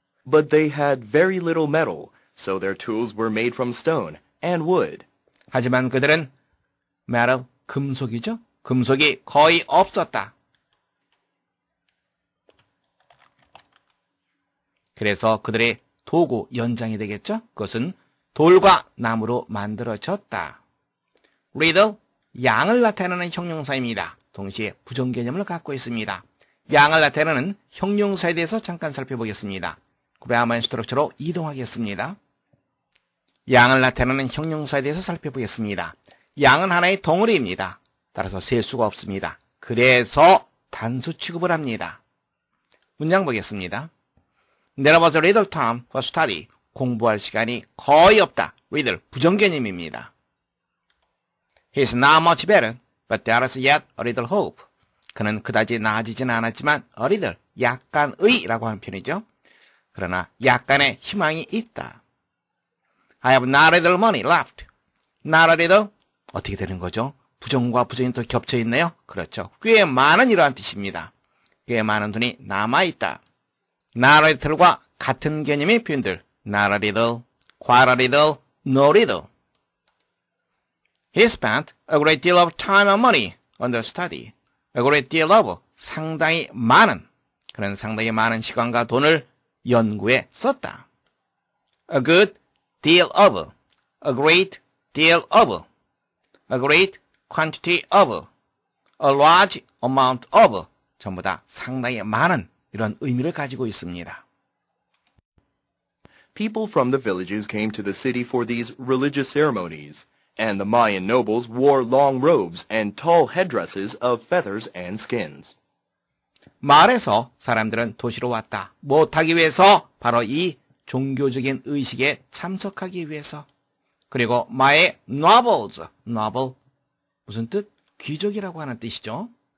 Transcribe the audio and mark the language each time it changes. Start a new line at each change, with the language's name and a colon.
English: But they had very little metal, so their tools were made from stone and wood.
Korean: 하지만 그들은 metal, 금속이죠? 금속이 거의 없었다. 그래서 그들의 도구, 연장이 되겠죠? 그것은 돌과 나무로 만들어졌다. little, 양을 나타내는 형용사입니다. 동시에 부정 개념을 갖고 있습니다. 양을 나타내는 형용사에 대해서 잠깐 살펴보겠습니다. 그라마인 스트럭처로 이동하겠습니다. 양을 나타내는 형용사에 대해서 살펴보겠습니다. 양은 하나의 덩어리입니다. 따라서 셀 수가 없습니다. 그래서 단수 취급을 합니다. 문장 보겠습니다.
English: There was a little time for study.
Korean: 공부할 시간이 거의 없다. Little, 부정 개념입니다.
English: He's not much better. But there is yet a little hope.
Korean: 그는 그다지 나아지진 않았지만 a little, 약간의 라고 하는 편이죠. 그러나 약간의 희망이 있다.
English: I have not a little money left. Not a little.
Korean: 어떻게 되는 거죠? 부정과 부정이 또 겹쳐있네요. 그렇죠. 꽤 많은 이러한 뜻입니다. 꽤 많은 돈이 남아있다.
English: Not a little
Korean: 과 같은 개념의 표현들.
English: Not a little, quite a little, no little. He spent a great deal of time and money on the study. A great deal of,
Korean: 상당히 많은, 그런 상당히 많은 시간과 돈을 연구에 썼다.
English: A good deal of, a great deal of, a great quantity of, a large amount of,
Korean: 전부 다 상당히 많은 이런 의미를 가지고 있습니다.
English: People from the villages came to the city for these religious ceremonies. And the Mayan nobles wore long robes and tall headdresses of feathers and skins.
Korean: 마을에서 사람들은 도시로 왔다. 무엇하기 위해서? 바로 이 종교적인 의식에 참석하기 위해서. 그리고 마의 nobles, noble, 무슨 뜻? 귀족이라고 하는 뜻이죠.